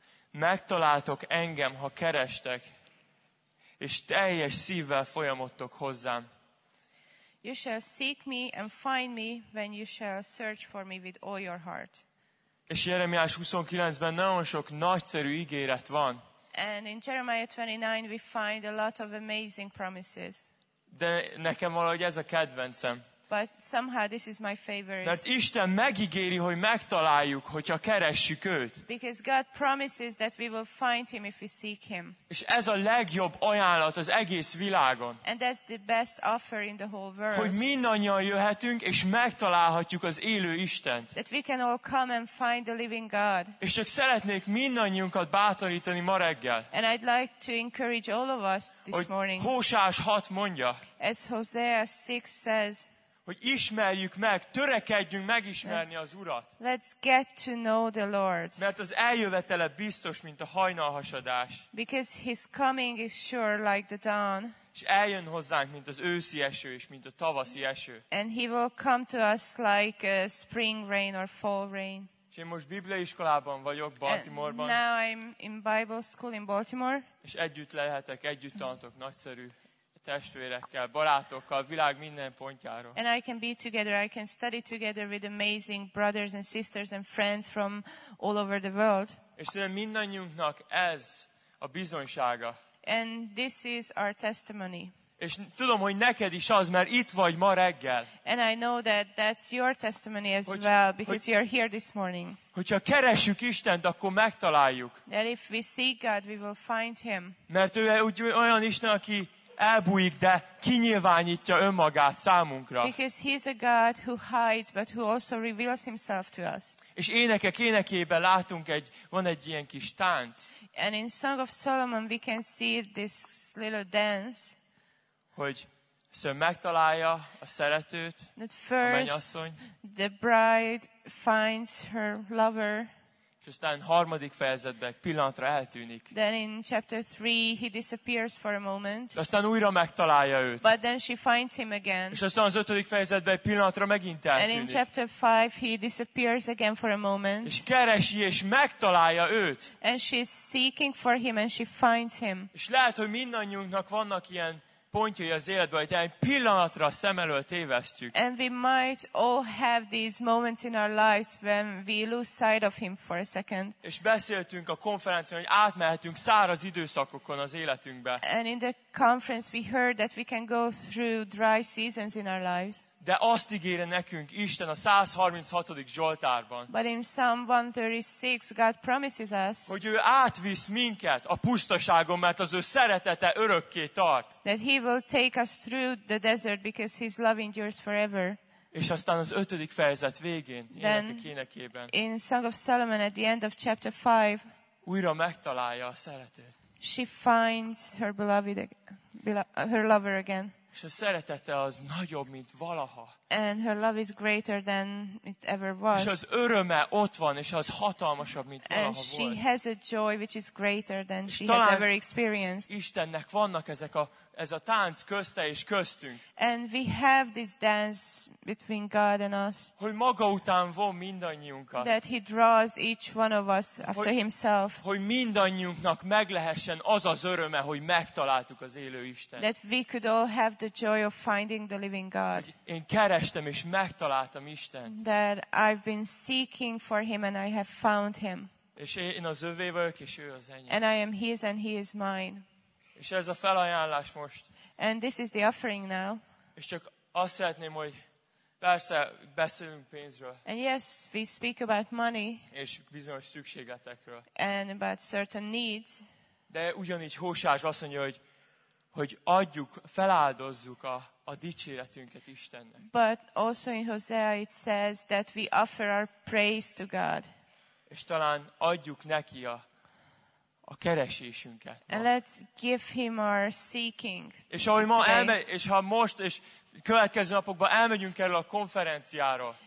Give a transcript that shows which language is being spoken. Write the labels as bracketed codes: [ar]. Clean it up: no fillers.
[hu] Megtaláltok engem, ha kerestek, és teljes szívvel folyamodtok hozzám. [en] You shall seek me and find me when you shall search for me with all your heart. [hu] És Jeremiás 29-ben nagyon sok nagyszerű ígéret van. [en] And in Jeremiah 29 we find a lot of amazing promises. [hu] De nekem valahogy ez a kedvencem. [en] But somehow this is my favorite. [hu] Mert Isten megígéri, hogy megtaláljuk, hogyha keressük őt. [en] Because God promises that we will find him if we seek him. [hu] És ez a legjobb ajánlat az egész világon. [en] And that's the best offer in the whole world. [hu] Hogy mindannyian jöhetünk és megtalálhatjuk az élő Istent. [en] That we can all come and find the living God. [hu] És csak szeretnék mindannyiunkat bátorítani ma reggel. [en] And I'd like to encourage all of us this morning. [hu] Hósás 6 mondja. [en] As Hosea 6 says. [hu] Hogy ismerjük meg, törekedjünk megismerni az Urat. [en] Let's get to know the Lord. [hu] Mert az eljövetele biztos, mint a hajnalhasadás. [en] Because his coming is sure like the dawn. [hu] És eljön hozzánk, mint az őszi eső és mint a tavaszi eső. [en] And he will come to us like a spring rain or fall rain. [hu] És én most bibliaiskolában vagyok Baltimore-ban. [en] And now I'm in Bible school in Baltimore. [hu] És együtt lehetek, együtt tanítok, nagyszerű testvérekkel, barátokkal, világ minden pontjáról. [en] And I can be together, I can study together with amazing brothers and sisters and friends from all over the world. [hu] És mindannyiunknak ez a bizonysága. [en] And this is our testimony. [hu] És tudom, hogy neked is az, mert itt vagy ma reggel. [en] And I know that that's your testimony as well, because you're here this morning. [hu] Hogyha keressük Istent, akkor megtaláljuk. [en] That if we seek God, we will find him. [hu] Mert ő úgy olyan Isten, aki elbújik, de kinyilvánítja önmagát számunkra. [en] Because he's a God who hides, but who also reveals himself to us. [hu] És énekek énekében látunk egy, van egy ilyen kis tánc. [en] And in Song of Solomon we can see this little dance. [hu] Hogy szóval megtalálja a szeretőt, [en] first, [hu] a mennyasszony. [en] The bride finds her lover. [hu] És aztán harmadik fejezetben egy pillanatra eltűnik. [en] Then in chapter 3 he disappears for a moment. [hu] De aztán újra megtalálja őt. [en] But then she finds him again. [hu] És aztán az ötödik fejezetben egy pillanatra megint eltűnik. [en] And in chapter 5 he disappears again for a moment. [hu] És keresi és megtalálja őt. [en] And she's seeking for him and she finds him. [hu] És lehet, hogy mindannyiunknak vannak ilyen pontjai az életben, hogy egy pillanatra szem elől tévesztjük. [en] And we might all have these moments in our lives when we lose sight of him for a second. [hu] És beszéltünk a konferencián, hogy átmehetünk száraz időszakokon az életünkbe. [en] And in the conference we heard that we can go through dry seasons in our lives. [hu] De azt ígére nekünk Isten a 136. Zsoltárban. [en] But in Psalm 136 God promises us. [hu] Hogy ő átvisz minket a pusztaságon, mert az ő szeretete örökké tart. [en] That he will take us through the desert because his love endures forever. [hu] És aztán az ötödik fejezet végén, énekek énekében. [en] In Song of Solomon at the end of chapter 5. [hu] Újra megtalálja a szeretőt. [en] She finds her beloved, her lover again. [hu] És a szeretete az nagyobb, mint valaha. [en] And her love is greater than it ever was. [hu] És az öröme ott van, és az hatalmasabb, mint valaha [en] and [hu] volt. [en] And she has a joy which is greater than she has ever experienced. [hu] Istennek vannak ezek a, ez a tánc közte és köztünk. [en] And we have this dance between God and us. [hu] Hogy maga után von mindannyiunkat. [en] That he draws each one of us after himself. [hu] Hogy mindannyiunknak meglehessen az az öröme, hogy megtaláltuk az élő Istent. [en] That we could all have the joy of finding the living God. [hu] Kerestem és megtaláltam Istent. [en] That I've been seeking for him and I have found him. [hu] És én az övé vagyok, és ő az enyém. [en] And I am his and he is mine. [hu] És ez a felajánlás most. [en] And this is the offering now. [hu] És csak azt szeretném, hogy persze beszélünk pénzről. [en] And yes, we speak about money. [hu] És bizonyos szükségletekről. [en] And about certain needs. [hu] De ugyanígy Hósás azt mondja, hogy adjuk, feláldozzuk a dicséretünket Istennek. [en] But also in Hosea it says that we offer our praise to God. [hu] És talán adjuk neki a keresésünket. [en] And let's give him our seeking. [hu] És ahogy ma elmegy, és ha most és következő napokban elmegyünk erről a konferenciáról.